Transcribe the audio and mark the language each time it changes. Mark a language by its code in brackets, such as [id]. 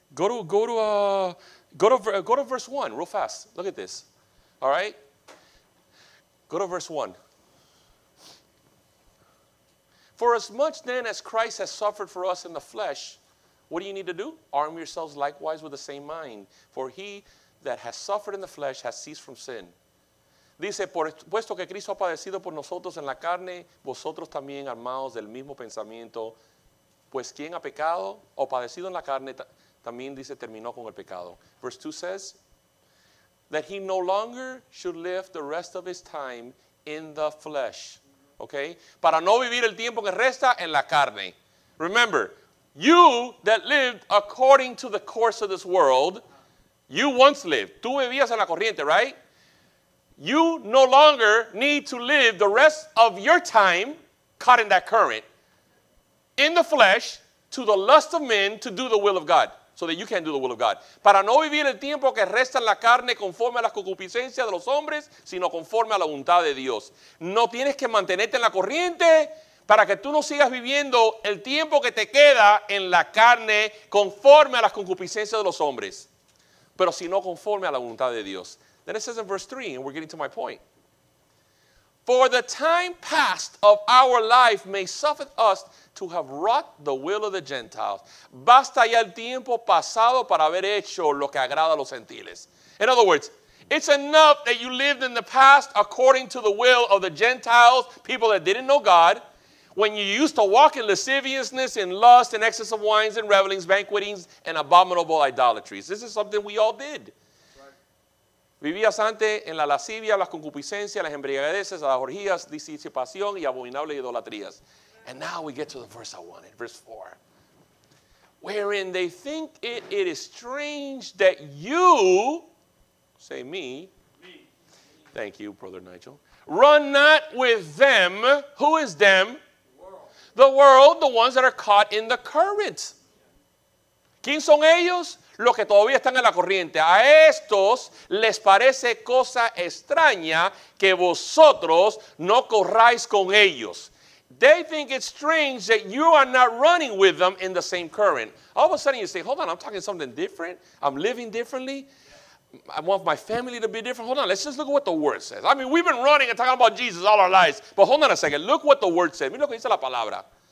[en] Go to verse 1 real fast. Look at this. All right? Go to verse 1. For as much then as Christ has suffered for us in the flesh, what do you need to do? Arm yourselves likewise with the same mind. For he that has suffered in the flesh has ceased from sin. [es] Dice, puesto que Cristo ha padecido por nosotros en la carne, vosotros también armados del mismo pensamiento. Pues quien ha pecado o padecido en la carne, también dice, terminó con el pecado. [en] Verse 2 says, that he no longer should live the rest of his time in the flesh. Okay? [es] Para no vivir el tiempo que resta en la carne. [en] Remember, you that lived according to the course of this world, you once lived. [es] Tú vivías en la corriente, [en] right? You no longer need to live the rest of your time caught in that current in the flesh to the lust of men to do the will of God so that you can do the will of God. [es] Para no vivir el tiempo que resta en la carne conforme a las concupiscencias de los hombres, sino conforme a la voluntad de Dios. No tienes que mantenerte en la corriente Para que tú no sigas viviendo el tiempo que te queda en la carne conforme a las concupiscencias de los hombres, pero sino conforme a la voluntad de Dios. [en] Then it says in verse 3, and we're getting to my point. For the time past of our life may suffer us to have wrought the will of the Gentiles. [es] Basta ya el tiempo pasado para haber hecho lo que agrada a los gentiles. [en] In other words, it's enough that you lived in the past according to the will of the Gentiles, people that didn't know God. When you used to walk in lasciviousness, in lust, in excess of wines and revelings, banquetings, and abominable idolatries. This is something we all did. [es] Vivías antes en la lascivia, las concupiscencias, las embriagueces, las orgías, disipación y abominables idolatrías. [en] And now we get to the verse I wanted, verse 4. Wherein they think it is strange that you, say me. Thank you, Brother Nigel. Run not with them. Who is them? The world, the ones that are caught in the current. [es] ¿Quién son ellos? Los que todavía están en la corriente. A estos les parece cosa extraña que vosotros no corráis con ellos. [en] They think it's strange that you are not running with them in the same current. All of a sudden you say, hold on, I'm talking something different. I'm living differently. I want my family to be different. Hold on, let's just look at what the word says. I mean, we've been running and talking about Jesus all our lives. But hold on a second. Look what the word says. [es] Mira lo que dice la palabra.